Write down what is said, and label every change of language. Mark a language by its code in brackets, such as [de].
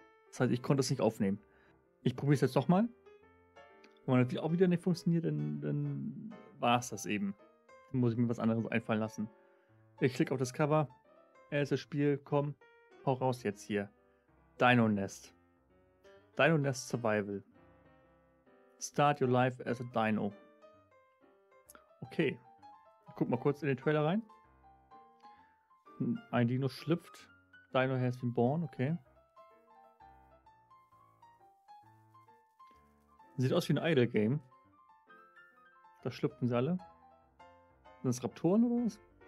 [de] Das heißt, ich konnte es nicht aufnehmen. Ich probiere es jetzt doch mal. Wenn das auch wieder nicht funktioniert, dann war es das eben. Dann muss ich mir was anderes einfallen lassen. Ich klicke auf das Cover. Erstes Spiel, komm, hau raus jetzt hier. Dino Nest. Dino Nest Survival. [en] Start your life as a Dino. Okay. [de] Guck mal kurz in den Trailer rein. Ein Dino schlüpft. [en] Dino has been born, okay. [de] Sieht aus wie ein Idle-Game. Da schlüpfen sie alle. Sind das Raptoren oder was?